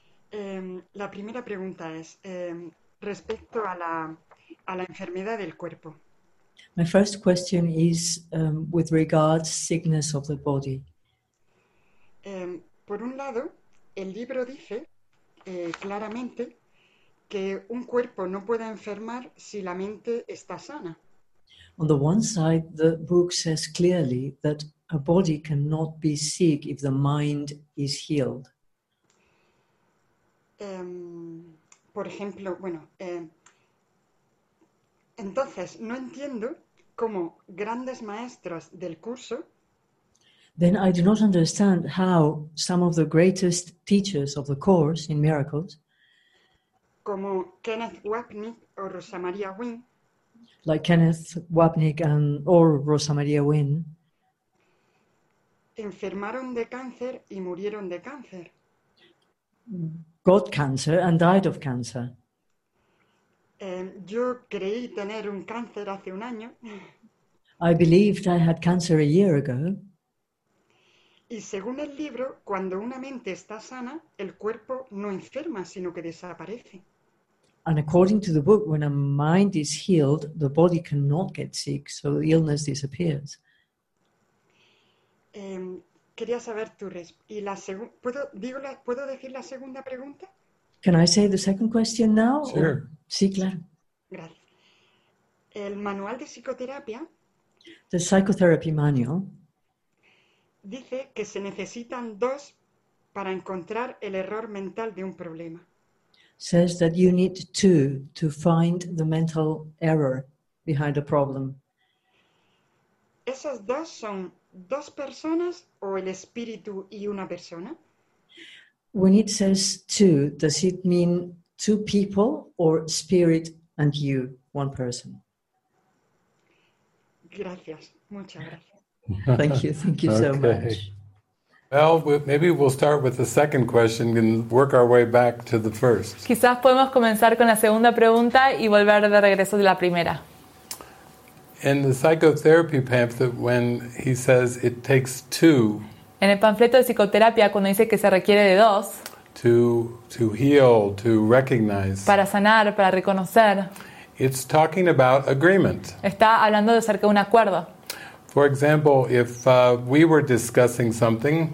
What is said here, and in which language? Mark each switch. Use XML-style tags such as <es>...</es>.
<es>La primera pregunta es respecto a la enfermedad del cuerpo.</es> <en>My first question is with regards sickness of the body.</en> <es>Por un lado, el libro dice claramente que un cuerpo no puede enfermar si la mente está sana.</es> <en>On the one side, the book says clearly that a body cannot be sick if the mind is healed.</en> <es>Por ejemplo, bueno, entonces no entiendo cómo grandes maestros del curso.</es> <en>Then I do not understand how some of the greatest teachers of the course in miracles,</en> <es>como Kenneth Wapnick or Rosa Maria Wynn.</es> <en>Like Kenneth Wapnick and or Rosa Maria Wynn,</en> <es>enfermaron de cáncer y murieron de cáncer.</es> <en>Got cancer and died of cancer.</en> <es>Yo creí tener un cáncer hace un año.</es> <en>I believed I had cancer a year ago.</en> <es>Y según el libro, cuando una mente está sana, el cuerpo no enferma, sino que desaparece.</es> <en>And according to the book, when a mind is healed, the body cannot get sick, so the illness disappears.</en> <es>Quería saber tu respuesta. ¿Puedo decir la segunda pregunta?</es> <en>Can I say the second question now? Sure.</en> <es>Sí, claro. Gracias. El manual de psicoterapia.</es> <en>The psychotherapy manual.</en> <es>Dice que se necesitan dos para encontrar el error mental de un problema.</es> <en>Says that you need to find the mental error behind the problem.</en> <es>¿Esas dos son dos personas o el espíritu y una persona?</es> <en>When it says two, does it mean two people or spirit and you, one person?</en> <es>Gracias, muchas gracias.</es> <en>Thank you okay. So much. Well, maybe we'll start with the second question and work our way back to the first.</en> <es>Quizás podemos comenzar con la segunda pregunta y volver de regreso de la primera.</es> <en>In the psychotherapy pamphlet, when he says it takes two.</en> <es>En el panfleto de psicoterapia, cuando dice que se requiere de dos.</es> <en>To heal, to recognize.</en> <es>Para sanar, para reconocer.</es> <en>It's talking about agreement.</en> <es>Está hablando de acerca de un acuerdo.</es> <en>For example, if we were discussing something,</en>